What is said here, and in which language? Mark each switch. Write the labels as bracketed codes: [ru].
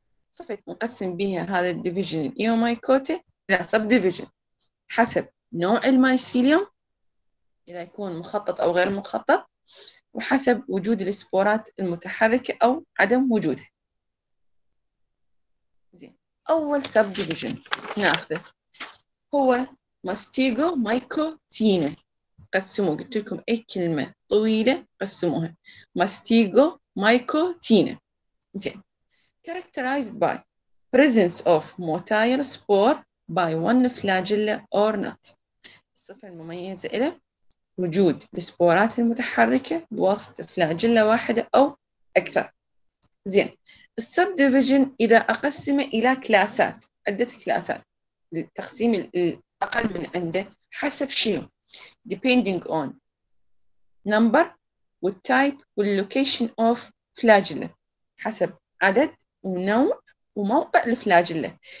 [ar] صفت مقسم بها هذا الديفيجن الإيوميكوتا إلى سب ديفيجن حسب نوع المايسيليوم إذا يكون مخطط أو غير مخطط، وحسب وجود السبورات المتحركة أو عدم وجودها. زين، أول سب ديفيجن نأخذه هو ماستيجو مايكوتينا. قسموا، قلت لكم أي كلمة طويلة قسموها ماستيجو مايكوتينا. [en] زين، characterized by presence of motile spore by one flagella or not. [ar] الصفة المميزة إلى وجود السبورات المتحركة بواسطة فلاجيلا واحدة أو أكثر. زين، السب ديفيجن إذا أقسمه إلى كلاسات، عدة كلاسات، التقسيم الأقل من عنده حسب شنو؟ [en] depending on number [ar] والtype واللوكيشن [en] of flagella، [ar] حسب عدد ونوع وموقع الفلاجيلا.